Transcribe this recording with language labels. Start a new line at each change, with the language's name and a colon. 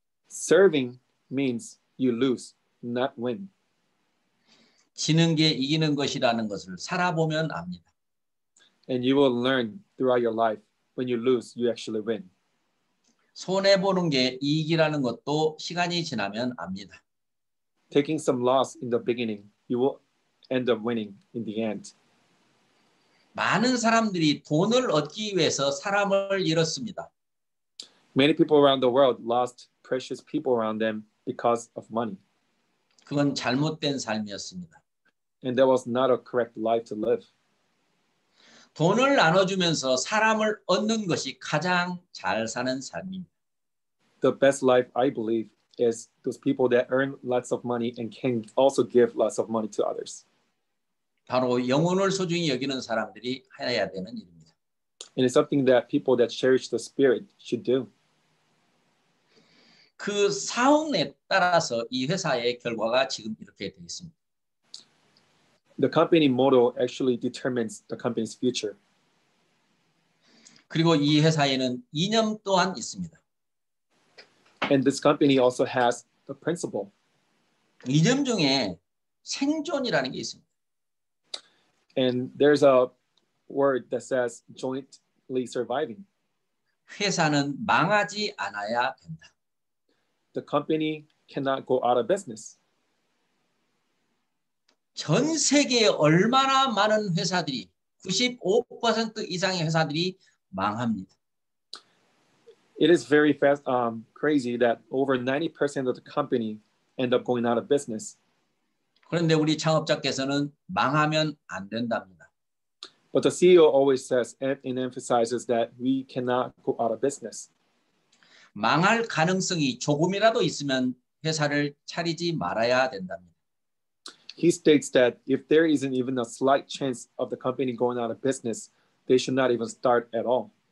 English: Serving means you lose, not win.
Korean: 지는 게 이기는 것이라는 것을 살아보면 압니다.
English: And you will learn throughout your life when you lose, you actually win.
Korean: 손해 보는 게 이익이라는 것도 시간이 지나면 압니다.
English: Taking some loss in the beginning, you will end up winning in the end.
Korean: 많은 사람들이 돈을 얻기 위해서 사람을 잃었습니다.
English: Many people around the world lost precious people around them because of money.
Korean: 그건 잘못된 삶이었습니다.
English: And that was not a correct life to live.
Korean: 돈을 나눠주면서 사람을 얻는 것이 가장 잘 사는 삶입니다.
English: The best life, I believe, is those people that earn lots of money and can also give lots of money to others.
Korean: 바로 영혼을 소중히 여기는 사람들이 해야 되는 일입니다.
English: And it's something that people that cherish the spirit should do.
Korean: 그 사원에 따라서 이 회사의 결과가 지금 이렇게 되어 있습니다.
English: The company motto actually determines the company's future.
Korean: 그리고 이 회사에는 이념 또한 있습니다.
English: And this company also has the principle.
Korean: 이념 중에 생존이라는 게 있습니다.
English: And there's a word that says jointly surviving.
Korean: 회사는 망하지 않아야 된다.
English: The company cannot go out of business.
Korean: 전 세계에 얼마나 많은 회사들이 95% 이상의 회사들이 망합니다.
English: It is very fast crazy that over 90% of the company end up going out of business.
Korean: 그런데 우리 창업자께서는 망하면 안 된답니다.
English: But the CEO always says and emphasizes that we cannot go out of business.
Korean: 망할 가능성이 조금이라도 있으면 회사를 차리지 말아야 된답니다.
English: He states that if there isn't even a slight chance of the company going out of business, they should not even start at all.